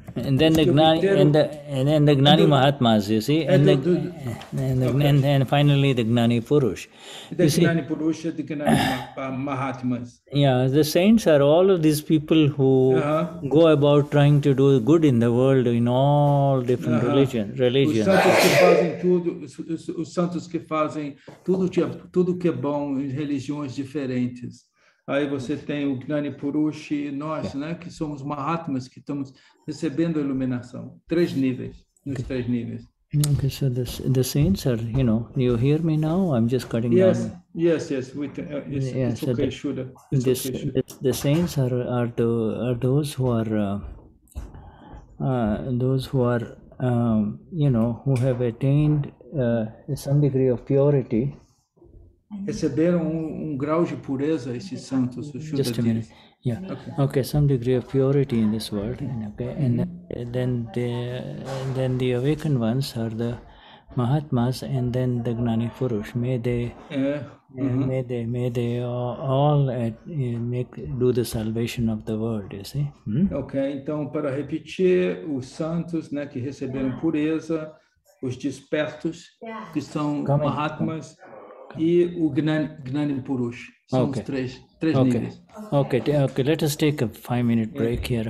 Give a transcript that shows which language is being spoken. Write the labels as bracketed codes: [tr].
[en] and then the Gnani, and then the Gnani Mahatmas, you see, and finally the Gnani Purush. The Gnani Mahatmas. Yeah, the saints are all of these people who go about trying to do good in the world in all different religions. [pt] Os santos que fazem tudo que é bom em religiões diferentes. Aí você tem o Gnani Purush e nós, né, que somos Mahatmas, que estamos recebendo a iluminação. Três níveis, nos três níveis. [en] Okay, so the saints are, you know, you hear me now? I'm just cutting yes, down. Yes, it's okay, so Shuddha. The saints are those who are, you know, who have attained some degree of purity. [pt] Receberam um grau de pureza esses santos, o Shuddha. [en] Just a minute. Yeah. Okay. Some degree of purity in this world. Okay. And then the awakened ones are the Mahatmas, and then the Gnani Purush. May they all do the salvation of the world. You see. Okay. [pt] Então, para repetir, os santos, né, que receberam pureza, os despertos, que são Mahatmas. E o Gnani Purush, são os três níveis. [en] Okay, let us take a 5-minute break here.